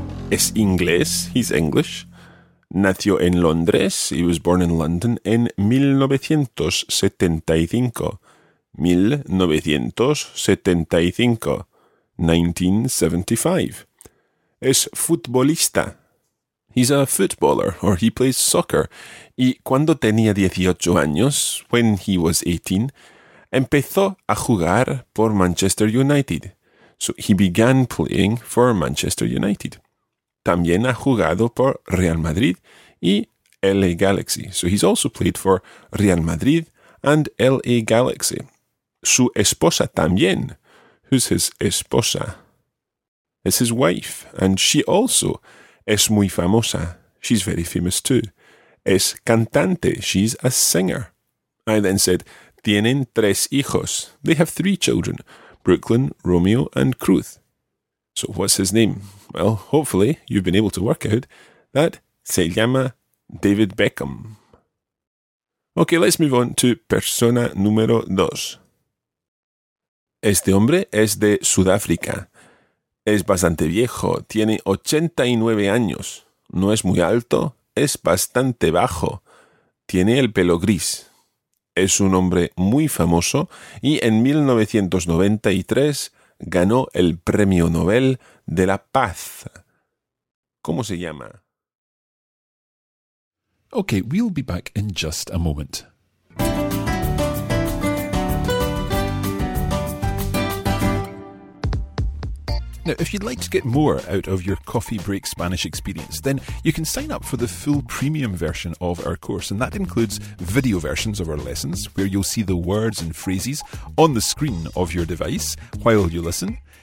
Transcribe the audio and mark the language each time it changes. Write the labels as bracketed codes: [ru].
[es] Es inglés, [en] he's English. [es] Nació en Londres, [en] he was born in London, [es] en 1975. 1975. 1975. Es futbolista. [en] He's a footballer, or he plays soccer. [es] Y cuando tenía 18 años, [en] when he was 18, [es] empezó a jugar por Manchester United. [en] So he began playing for Manchester United. [es] También ha jugado por Real Madrid y LA Galaxy. [en] So he's also played for Real Madrid and LA Galaxy. [es] Su esposa también. [en] Who's his esposa? It's his wife. And she also [es] es muy famosa. [en] She's very famous too. [es] Es cantante. [en] She's a singer. I then said, [es] tienen 3 hijos. [en] They have 3 children. Brooklyn, Romeo, and Cruz. So what's his name? Well, hopefully you've been able to work out that [es] se llama David Beckham. [en] Okay, let's move on to [es] persona número 2. Este hombre es de Sudáfrica. Es bastante viejo, tiene 89 años. No es muy alto, es bastante bajo. Tiene el pelo gris. Es un hombre muy famoso y en 1993 ganó el Premio Nobel de la Paz. ¿Cómo se llama? [en] Okay, we'll be back in just a moment. Now, if you'd like to get more out of your Coffee Break Spanish experience, then you can sign up for the full premium version of our course, and that includes video versions of our lessons, where you'll see the words and phrases on the screen of your device while you listen.